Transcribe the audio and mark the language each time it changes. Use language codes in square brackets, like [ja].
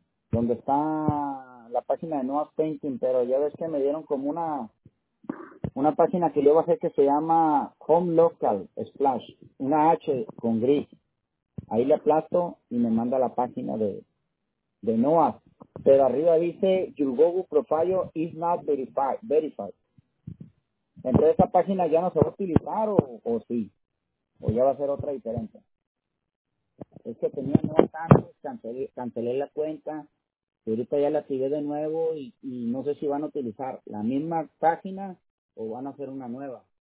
[es] Donde está la página de Noah's Painting, pero ya ves que me dieron como una página que yo bajé que se llama Home Local Splash, una H con gris. Ahí le aplasto y me manda la página de Noah. Pero arriba dice, [en] your Google profile is not verified. [es] Entonces, ¿esa página ya no se va a utilizar o sí? ¿O ya va a ser otra diferente? Es que tenía nuevos cambios, cancelé la cuenta, y ahorita ya la activé de nuevo y no sé si van a utilizar la misma página o van a hacer una nueva.